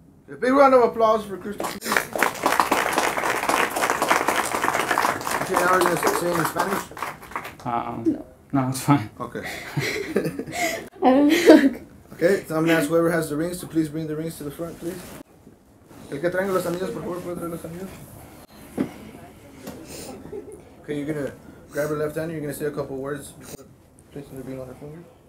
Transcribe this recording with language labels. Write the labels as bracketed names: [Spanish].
[English] A big round of applause for Crystal. Okay, now are you going to say in Spanish? No. No, it's fine. Okay. Okay, so I'm going to ask whoever has the rings to please bring the rings to the front, please. [Spanish] El que traiga los anillos, por favor, puede traer los anillos. [English] Okay, you're going to grab your left hand and you're going to say a couple words before placing the ring on her finger.